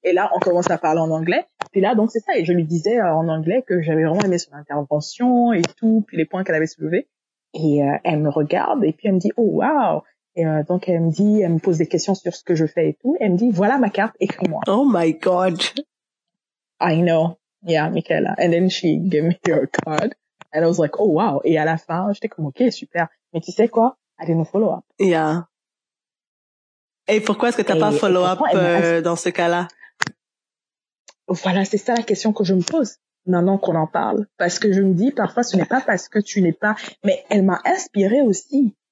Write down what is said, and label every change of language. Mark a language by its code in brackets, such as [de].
[fr] Et là, on commence à parler en anglais. Puis là, donc, c'est ça. Et je lui disais en anglais que j'avais vraiment aimé son intervention et tout, puis les points qu'elle avait soulevés. Et elle me regarde et puis elle me dit, [en] oh wow. [fr] Et donc elle me dit, elle me pose des questions sur ce que je fais et tout. Elle me dit, voilà ma carte, écris-moi. [en] Oh my God. I know. Yeah, Michaela. And then she gave me her card. And I was like, oh wow. [fr] Et à la fin, j'étais comme, ok, super. Mais tu sais quoi? [en] I didn't follow up. Yeah. [fr] Et pourquoi est-ce que t'as pas follow up dans ce cas-là? Voilà, c'est ça la question que je me pose maintenant qu'on en parle. Parce que je me dis, parfois, ce n'est pas parce que tu n'es pas, mais elle m'a inspirée aussi.